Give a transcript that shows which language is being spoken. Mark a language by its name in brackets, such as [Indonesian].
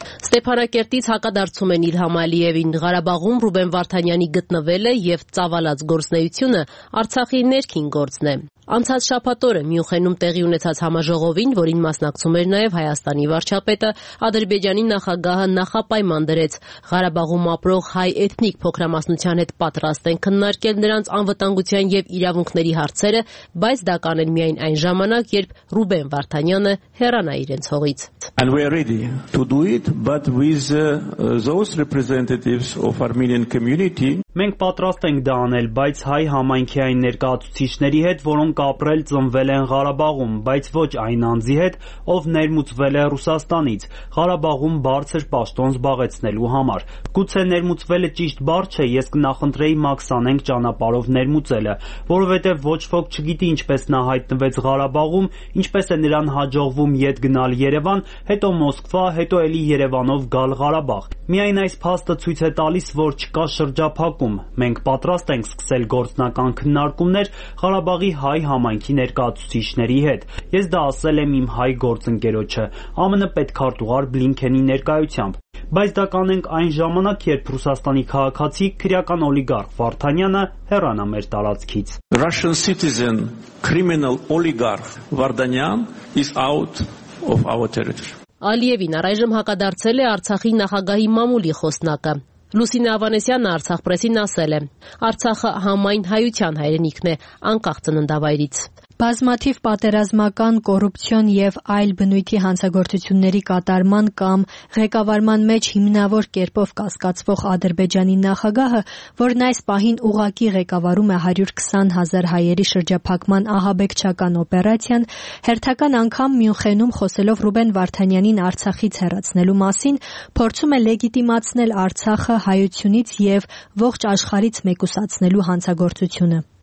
[Armenian] Ստեփանակերտից հակադարձում են Իլհամ Ալիևին, Ղարաբաղում Ռուբեն Վարդանյանի գտնվելը և ծավալած գործնեությունը Արցախի ներքին գործն է։ Անցած շաբաթ օրը Մյունխենում տեղի ունեցած համաժողովին, որին մասնակցում էր նաև Հայաստանի վարչապետը, Ադրբեջանի նախագահը նախապայման դրեց Ղարաբաղում ապրող հայ էթնիկ փոքրամասնության հետ պատրաստ են քննարկել նրանց անվտանգության և իրավունքների հարցերը, բայց դա կանեն միայն այն ժամանակ, երբ Ռուբեն Վարդանյանը հեռանա իրենց հողից։ [English] And we are ready to do it, but with those representatives of Armenian community. [Armenian] Մենք պատրաստ ենք դա անել, բայց հայ համայնքի այն ներկայացուցիչների հետ, որոնք ապրել ծնվել են Ղարաբաղում, բայց ոչ այն անձի հետ, ով ներմուծվել է Ռուսաստանից, Ղարաբաղում բարձր պաշտոն զբաղեցնելու համար։ Գուցե ներմուծվելը ճիշտ բառ չէ, ես կնախնդրեի մաքսանենք ճանապարհով ներմուծելը, որովհետև ոչ ոք չգիտի ինչպես նա հայտնվեց Ղարաբաղում, ինչպես է նրան հաջողվում ետ գնալ Երևան, հետո Մոսկվա, հետո էլի Երևանով գալ Ղարաբաղ։ Միայն այս փաստը ցույց է տալիս, որ չկա շրջափակում։ Մենք պատրաստ ենք սկսել գործնական քննարկումներ Ղարաբաղի հայ համայնքի ներկայացուցիչների հետ։ Ես դա ասել եմ իմ հայ գործընկերոջը, ԱՄՆ պետքարտուղար Բլինքենի ներկայությամբ։ Բայց դա կանենք այն ժամանակ, երբ Ռուսաստանի քաղաքացի քրեական օլիգարխ Վարդանյանը հեռանա մեր տարածքից։ [English] Russian citizen criminal oligarch Vardanyan is out of our territory. [Armenian] Ալիևին առայժմ հակադարձել է Արցախի նախագահի մամուլի խոսնակը։ Լուսինե Ավանեսյանը Արցախ պրեսին ասել է. Արցախը համայն հայության հայրենիքն է, անկախ ծննդավայրից։ Բազմաթիվ պատերազմական, կոռուպցիոն և այլ բնույթի հանցագործությունների կատարման կամ ղեկավարման մեջ հիմնավոր կերպով կասկածվող Ադրբեջանի նախագահը, որն այս պահին ուղակի ղեկավարում է 120 000 հայերի շրջափակման ահաբեկչական օպերացիան, հերթական անգամ Մյունխենում խոսելով Ռուբեն Վարդանյանին Արցախից հեռացնելու մասին, փորձում է լեգիտիմացնել Արցախը հայությունից և ողջ աշխարից մեկուսացնելու հանցագործությունը։